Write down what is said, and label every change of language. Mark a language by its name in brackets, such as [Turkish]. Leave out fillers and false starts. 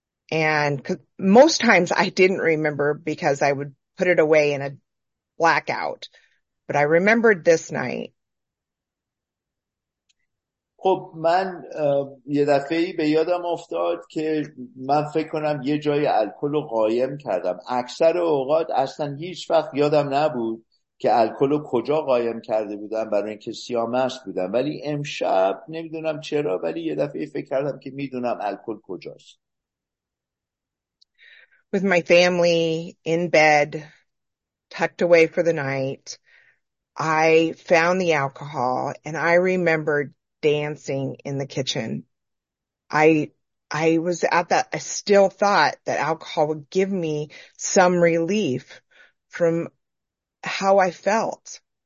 [English] And most times I didn't remember because I would put it away in a blackout. But I remembered this night. [Persian] خب من یه دفعه به یادم افتاد که من فکر کنم یه جای الکل رو قایم کردم. اکثر اوقات اصلا هیچ وقت یادم نبود که الکل رو کجا قایم کرده بودم برای اینکه سیامست بودم، ولی امشب نمیدونم چرا ولی یه دفعه فکر کردم که میدونم الکل کجاست. [English] with my family in bed, tucked away for the night, I found the alcohol and I remembered dancing in the kitchen. I still thought that alcohol would give me some relief from how I felt.